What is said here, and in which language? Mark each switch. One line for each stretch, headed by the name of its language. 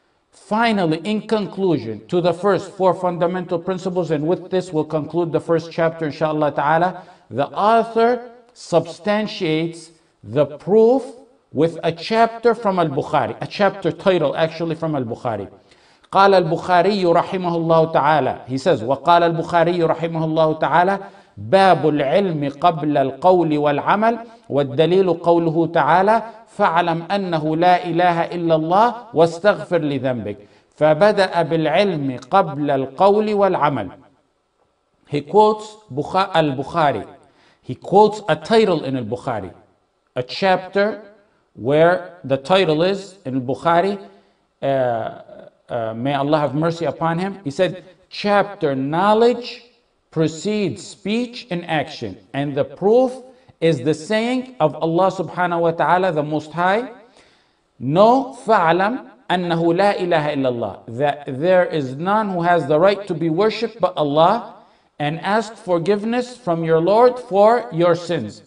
English: Finally, in conclusion to the first four fundamental principles, and with this we'll conclude the first chapter, inshallah ta'ala, the author substantiates the proof with a chapter from Al-Bukhari, a chapter title actually from Al-Bukhari.
Arabic: قال البخاري رحمه الله تعالى
English: he says
Arabic: وقال البخاري رحمه الله تعالى باب العلم قبل القول والعمل والدليل قوله تعالى فاعلم أنه لا إله إلا الله واستغفر لذنبك فبدأ بالعلم قبل القول والعمل
English: he quotes البخاري he quotes a title in البخاري a chapter where the title is in البخاري may Allah have mercy upon him. He said, chapter knowledge precedes speech and action. And the proof is the saying of Allah subhanahu wa ta'ala, the Most High, know, fa'alam, annahu la ilaha illallah, that there is none who has the right to be worshipped but Allah, and ask forgiveness from your Lord for your sins.